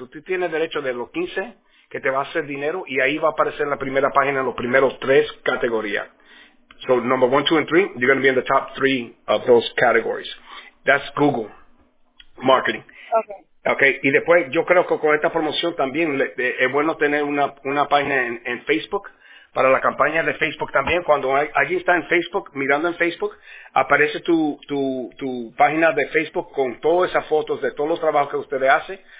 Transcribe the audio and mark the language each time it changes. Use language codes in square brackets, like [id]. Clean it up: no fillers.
[es] Usted tiene derecho de los 15 que te va a hacer dinero y ahí va a aparecer en la primera página en los primeros tres categorías. [en] So, number 1, 2, and 3, you're going to be in the top 3 of those categories. That's Google marketing. Okay. [es] Y después yo creo que con esta promoción también es bueno tener una página en Facebook para la campaña de Facebook también. Cuando alguien está en Facebook, mirando en Facebook, aparece tu página de Facebook con todas esas fotos de todos los trabajos que ustedes hacen.